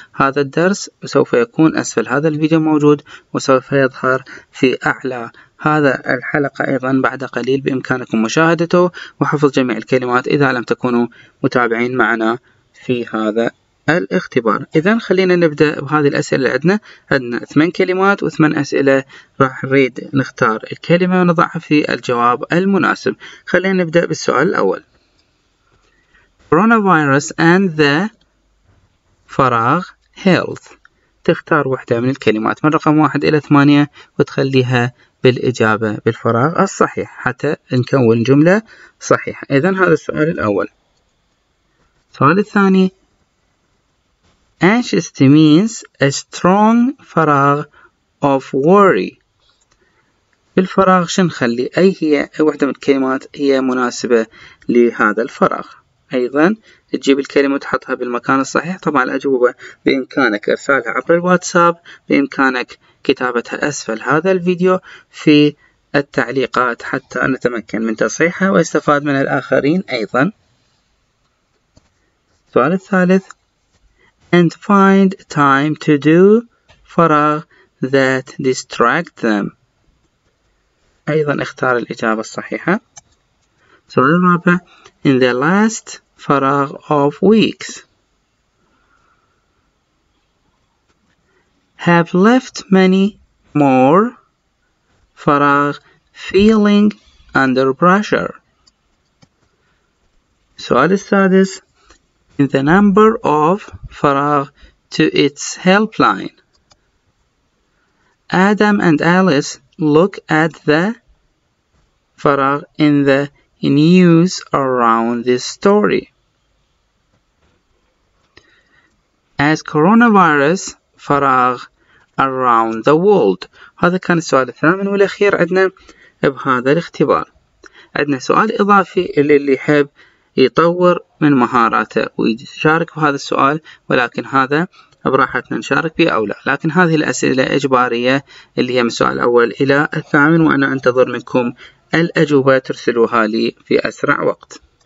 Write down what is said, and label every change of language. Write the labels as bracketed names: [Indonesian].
[Arabic] هذا الدرس سوف يكون أسفل هذا الفيديو موجود، وسوف يظهر في أعلى هذا الحلقة أيضا بعد قليل، بإمكانكم مشاهدته وحفظ جميع الكلمات إذا لم تكونوا متابعين معنا في هذا الاختبار. إذا خلينا نبدأ بهذه الأسئلة اللي عندنا. عندنا 8 كلمات و8 أسئلة، راح نريد نختار الكلمة ونضعها في الجواب المناسب. خلينا نبدأ بالسؤال الأول. [English] Coronavirus and the فراغ health. [Arabic] تختار واحدة من الكلمات من رقم 1 إلى 8 وتخليها بالإجابة بالفراغ الصحيح حتى نكون جملة صحيحة. إذا هذا السؤال الأول. السؤال الثاني. [English] Anxious means a strong فراغ of worry. [Arabic] بالفراغ شو نخلي؟ أي هي واحدة من الكلمات هي مناسبة لهذا الفراغ؟ أيضا تجيب الكلمة وتحطها بالمكان الصحيح. طبعا الأجوبة بإمكانك إرسالها عبر الواتساب، بإمكانك كتابتها أسفل هذا الفيديو في التعليقات حتى نتمكن من تصحيحها واستفاد من الآخرين أيضا. السؤال الثالث. [English] And find time to do فراغ that distract them. [Arabic] أيضا اختار الإجابة الصحيحة. السؤال الرابع. [English] In the last فراغ of weeks. Have left many more فراغ feeling under pressure. [Arabic] السؤال السادس. [English] In the number of فراغ to its helpline. Adam and Alice look at the فراغ in the news around this story. As coronavirus فراغ around the world. [Arabic] هذا كان السؤال الثامن والأخير عندنا بهذا الاختبار. عندنا سؤال إضافي اللي يحب يطور من مهاراته ويشارك بهذا السؤال، ولكن هذا براحتنا نشارك به أو لا. لكن هذه الأسئلة إجبارية اللي هي من السؤال الأول إلى الثامن، وأنا أنتظر منكم الأجوبة ترسلوها لي في أسرع وقت.